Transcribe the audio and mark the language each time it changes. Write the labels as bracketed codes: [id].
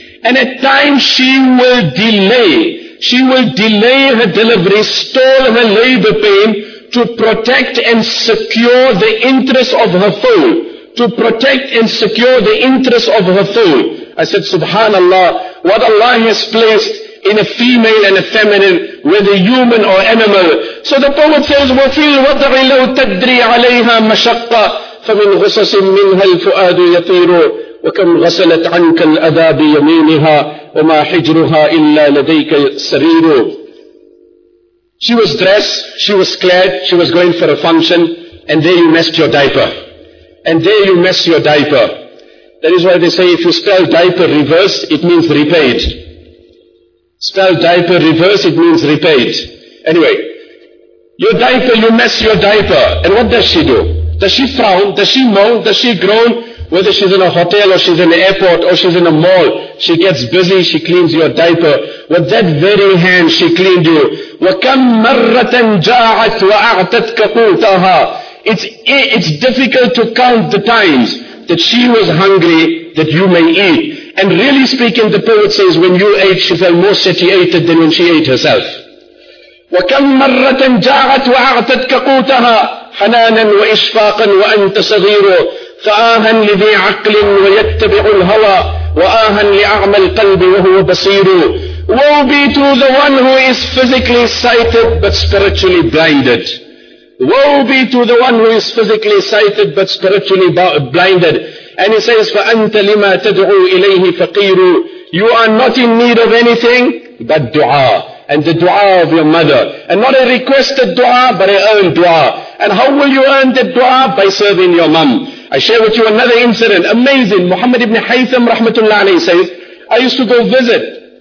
[en] And at times she will delay. She will delay her delivery, stall her labor pain to protect and secure the interests of her foal. To protect and secure the interests of her foal. I said, subhanallah, what Allah has placed in a female and a feminine, whether human or animal. So the poet says, [ar] وَفِي الْوَضْعِ لَوْ تَدْرِي عَلَيْهَا مَشَقَّةٌ فَمِنْ غُصَصٍ مِّنْهَا الْفُؤَادُ يَطِيرُ وَكَمْ غَسَلَتْ عَنْكَ الْأَذَى بِيَمِينِهَا وَمَا حِجْرُهَا إِلَّا لَدَيْكَ سَرِيرُ. [en] She was dressed, she was clad, she was going for a function, and there you messed your diaper. And there you mess your diaper. That is why they say if you spell diaper reverse, it means repaid. Spell diaper reverse, it means repaid. Anyway, your diaper, you mess your diaper. And what does she do? Does she frown? Does she moan? Does she groan? Whether she's in a hotel or she's in an airport or she's in a mall, she gets busy, she cleans your diaper. With that very hand, she cleaned you. [ar] وَكَمْ مَرَّةً جَاعَتْ وَأَعْتَتْكَ قُوتَهَا. [en] It's difficult to count the times that she was hungry that you may eat. And really speaking, the poet says, when you ate, she felt more satiated than when she ate herself. [ar] وَكَمْ مَرَّةً جَاعَتْ وَأَعْتَتْكَ قُوتَهَا. حنانا وإشفاقا وأنت صغير فآها لذي عقل ويتبع الهوى وآها لأعمى القلب وهو بصير. [en] Woe be to the one who is physically sighted but spiritually blinded. Woe be to the one who is physically sighted but spiritually blinded. And he says, [ar] فَأَنْتَ لِمَا تَدْعُوا إِلَيْهِ فَقِيرُ. [en] You are not in need of anything but dua. And the dua of your mother. And not a requested dua, but an earned dua. And how will you earn that dua? By serving your mum. I share with you another incident. Amazing. Muhammad ibn Haytham, rahmatullah alayhi, says, I used to go visit.